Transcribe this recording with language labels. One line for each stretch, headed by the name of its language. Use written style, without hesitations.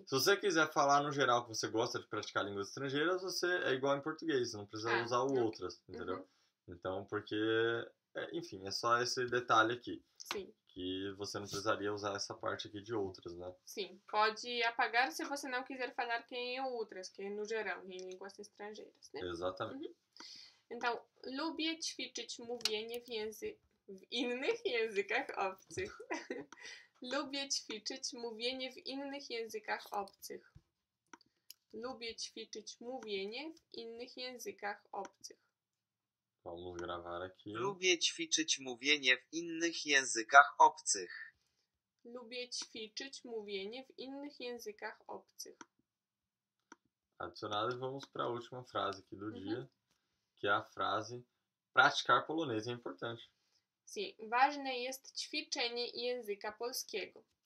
Portuguese: Se você quiser falar no geral que você gosta de praticar línguas estrangeiras, você é igual em português, você não precisa Ah, usar o ok. outras, entendeu? Então, porque, enfim, é só esse detalhe aqui, Sim. que você não precisaria usar essa parte aqui de outras, né? Sim, pode apagar se você não quiser falar que em outras, que no geral, em línguas estrangeiras, né? Exatamente.
Polish: Então, lubię ćwiczyć mówienie w innych językach obcych. Lubię ćwiczyć mówienie w innych językach obcych. Lubię ćwiczyć mówienie w innych językach obcych.
Portuguese: Vamos gravar aqui.
Polish: Lubię ćwiczyć mówienie w innych językach obcych. Lubię ćwiczyć mówienie w innych językach obcych.
Portuguese: Adicionado, vamos para a última frase aqui do dia, que é a frase praticar polonês é importante.
Polish: Sim, ważne jest ćwiczenie języka polskiego.